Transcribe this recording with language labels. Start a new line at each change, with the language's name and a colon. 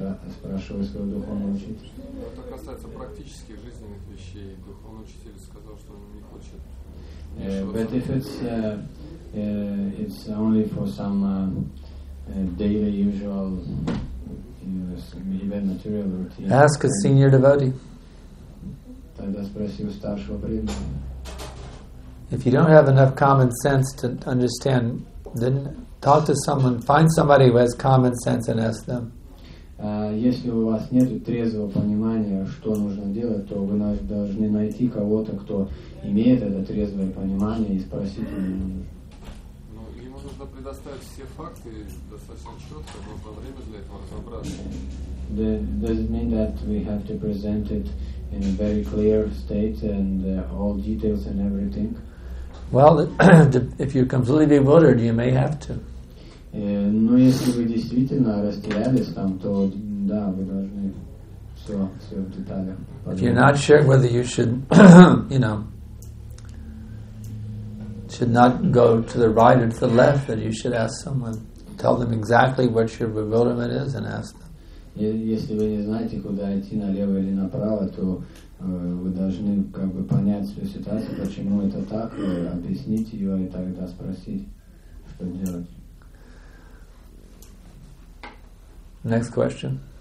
Russian: Спрашивай своего духовного учителя. Это касается практически жизненных вещей. Духовный учитель сказал, что он не хочет.
English: But if it's it's only for some daily usual, even material routine. Ask a senior devotee.
Russian: Тогда спроси у старшего преданного.
English: If you don't have enough common sense to understand, then talk to someone. Find somebody who has common sense and ask them.
Russian: Если у вас нет трезвого понимания, что нужно делать, то вы должны найти кого-то, кто имеет это трезвое понимание, и спросить у него. Ну, ему нужно предоставить все факты достаточно четко, нужно время для этого разобраться.
English: The, does it mean that we have to present it in a very clear state and all details and everything? Well, if you're completely bewildered, you may have to.
Russian: Но если вы действительно растерялись там, то да, вы должны все в деталях.
English: If you're not sure whether you should, you know, should not go to the right or to the left, then you should ask someone, tell them exactly what your bewilderment is and ask them.
Russian: Если вы не знаете, куда идти, налево или направо, то вы должны как бы понять всю ситуацию, почему это так, объяснить ее и тогда спросить, что делать.
English: Next question.